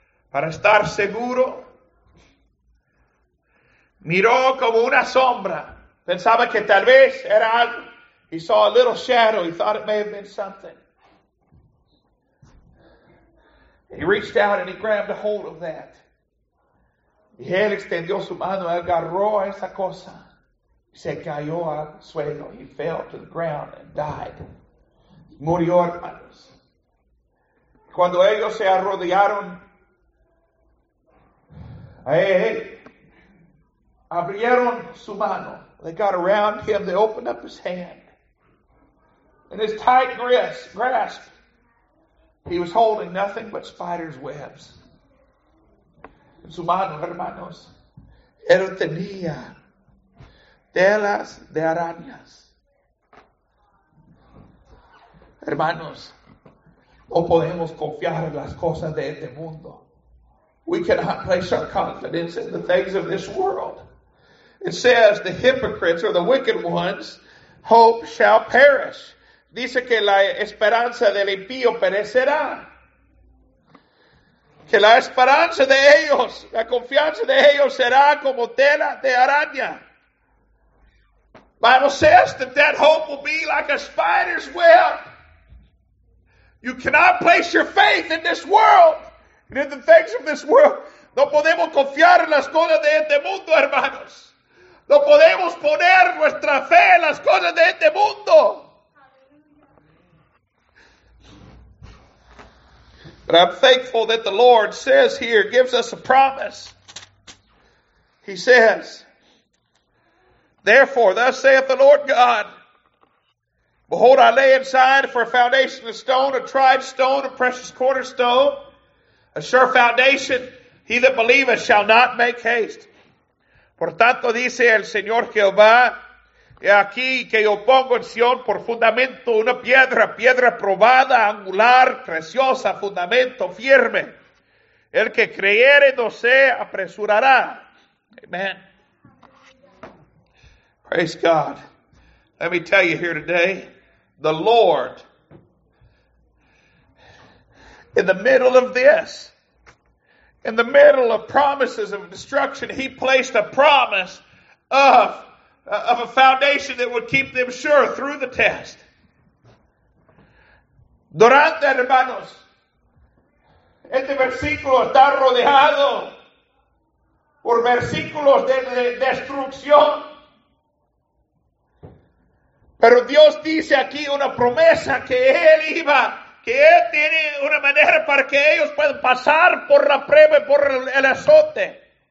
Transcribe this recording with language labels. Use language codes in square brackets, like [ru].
[es] Para estar seguro. Miró como una sombra. Pensaba que tal vez era algo. [en] He saw a little shadow. He thought it may have been something. He reached out and he grabbed a hold of that. [es] Y él extendió su mano y agarró esa cosa. Se cayó al suelo. [en] He fell to the ground and died. [es] Murió, hermanos. Cuando ellos se arrodillaron a él, abrieron su mano. [en] They got around him. They opened up his hand. In his tight grasp, He was holding nothing but spider's webs. [es] En su mano, hermanos, él tenía telas de arañas. Hermanos, no podemos confiar en las cosas de este mundo. [en] We cannot place our confidence in the things of this world. It says the hypocrites or the wicked ones, hope shall perish. [es] Dice que la esperanza del impío perecerá. Que la esperanza de ellos, la confianza de ellos será como tela de araña. [en] Bible says that that hope will be like a spider's web. You cannot place your faith in this world. And in the things of this world, [es] no podemos confiar en las cosas de este mundo, hermanos. No podemos poner nuestra fe en las cosas de este mundo. [en] But I'm thankful that the Lord says here, gives us a promise. He says, therefore, thus saith the Lord God, behold, I lay in Zion for a foundation of stone, a tried stone, a precious cornerstone, a sure foundation. He that believeth shall not make haste. [es] Por tanto, dice el Señor Jehová, he aquí que yo pongo en Sion por fundamento una piedra, piedra probada, angular, preciosa, fundamento, firme. El que creyere no se apresurará. Amen. [en] Praise God. Let me tell you here today, the Lord, in the middle of this, in the middle of promises of destruction, he placed a promise of a foundation that would keep them sure through the test. [es] Durante, hermanos, este versículo está rodeado por versículos de destrucción. Pero Dios dice aquí una promesa que Él iba, que Él tiene una manera para que ellos puedan pasar por la prueba y por el azote.